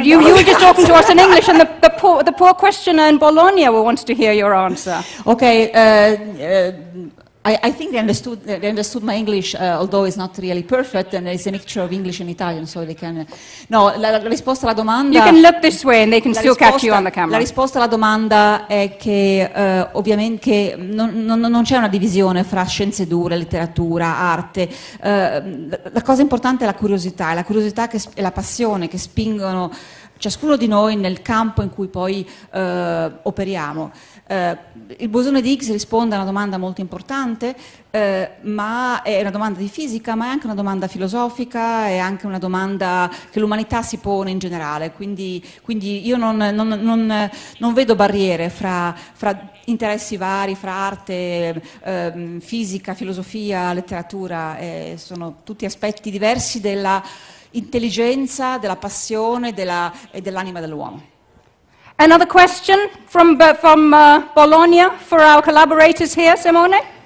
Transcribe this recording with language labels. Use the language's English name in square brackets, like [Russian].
[English] You were just talking to us in English, and the poor questioner in Bologna wanted to hear your answer. Okay. I think they understood my English, although it's not really perfect, and it's a mixture of English and Italian, so they can... [Italian] No, la risposta alla domanda... [English] You can look this way and they can still catch you on the camera. [Italian] La risposta alla domanda è che, ovviamente, che non c'è una divisione fra scienze dure, letteratura, arte. La cosa importante è la curiosità, e la passione che spingono ciascuno di noi nel campo in cui poi operiamo. Il bosone di Higgs risponde a una domanda molto importante, ma è una domanda di fisica, ma è anche una domanda filosofica, è anche una domanda che l'umanità si pone in generale. Quindi io non vedo barriere fra interessi vari, fra arte, fisica, filosofia, letteratura, sono tutti aspetti diversi della intelligenza, della passione e dell'anima dell'uomo. [English] Another question from Bologna for our collaborators here, Simone.